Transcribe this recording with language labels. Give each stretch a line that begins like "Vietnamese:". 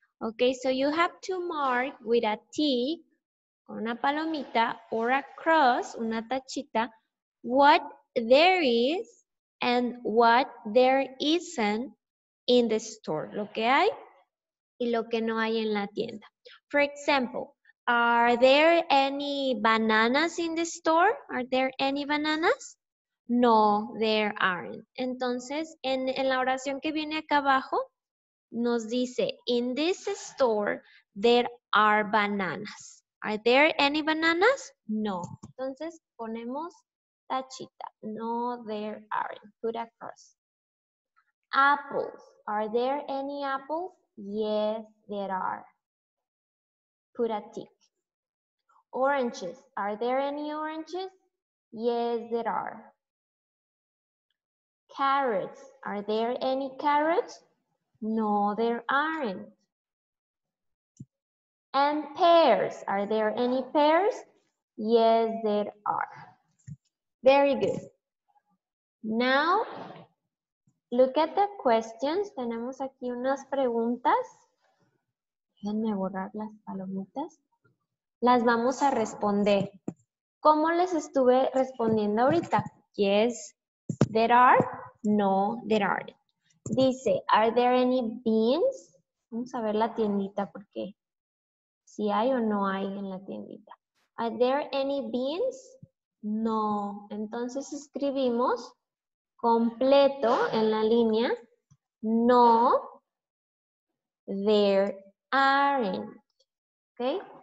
English: Okay, so you have to mark with a T,
Spanish: con una palomita,
English: or a cross,
Spanish: una tachita,
English: what there is and what there isn't in the store.
Spanish: Lo que hay y lo que no hay en la tienda.
English: For example, are there any bananas in the store? Are there any bananas? No, there aren't.
Spanish: Entonces, en la oración que viene acá abajo, nos dice,
English: in this store, there are bananas. Are there any bananas? No.
Spanish: Entonces, ponemos tachita.
English: No, there aren't. Put across. Apples. Are there any apples? Yes, there are. Put a tick. Oranges. Are there any oranges? Yes, there are. Carrots. Are there any carrots? No, there aren't. And pears. Are there any pears? Yes, there are. Very good. Now, look at the questions.
Spanish: Tenemos aquí unas preguntas. Déjenme borrar las palomitas. Las vamos a responder. ¿Cómo les estuve respondiendo ahorita?
English: Yes, there are. No, there aren't.
Spanish: Dice,
English: are there any beans?
Spanish: Vamos a ver la tiendita porque si hay o no hay en la tiendita.
English: Are there any beans? No.
Spanish: Entonces escribimos completo en la línea.
English: No, there aren't. ¿Ok?